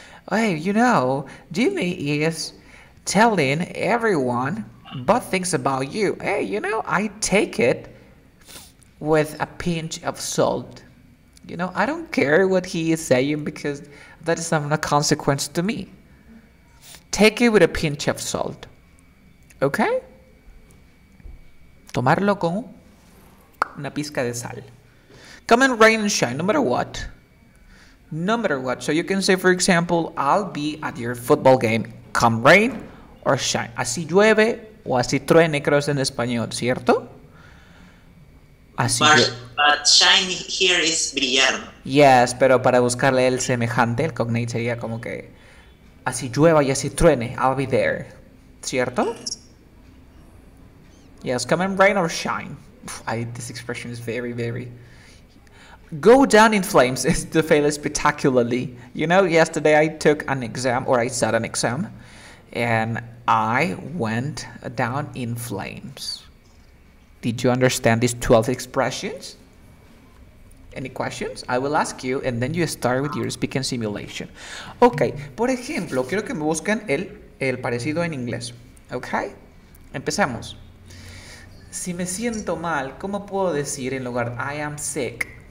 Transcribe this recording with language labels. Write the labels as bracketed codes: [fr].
[en] Hey, you know, Jimmy is telling everyone bad things about you. Hey, you know, I take it with a pinch of salt. You know, I don't care what he is saying because that is not a consequence to me. Take it with a pinch of salt. Okay? [es] Tomarlo con una pizca de sal. [en] Come and rain and shine, no matter what. No matter what. So you can say, for example, I'll be at your football game. Come rain or shine. [es] Así llueve o así truene, creo es en español, ¿cierto? [en] Así but shine here is brillar. [es] Yes, pero para buscarle el semejante, el cognate sería como que así llueva y así truene, [en] I'll be there. [es] ¿Cierto? [en] Yes, come and rain or shine. This expression is very, very... Go down in flames is to fail spectacularly. You know, yesterday I took an exam, or I sat an exam, and I went down in flames. Did you understand these 12 expressions? Any questions? I will ask you, and then you start with your speaking simulation. [es] Okay, por ejemplo, quiero que me busquen el parecido en inglés. Okay, empecemos. Si me siento mal, ¿cómo puedo decir en lugar de [en] I am sick?